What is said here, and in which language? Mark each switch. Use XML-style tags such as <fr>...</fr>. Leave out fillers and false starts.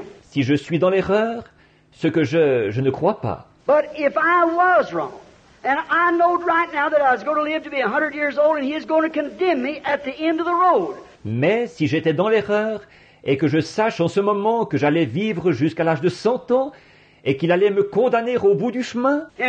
<fr>Si je suis dans l'erreur, ce que je ne crois pas.</fr> <en>But if I was wrong, and I know right now that I was going to live to be 100 years old, and he is going to condemn me at the end of the road.</en> <fr>Mais si j'étais dans l'erreur. Et que je sache en ce moment que j'allais vivre jusqu'à l'âge de 100 ans et qu'il allait me condamner au bout du chemin.</fr>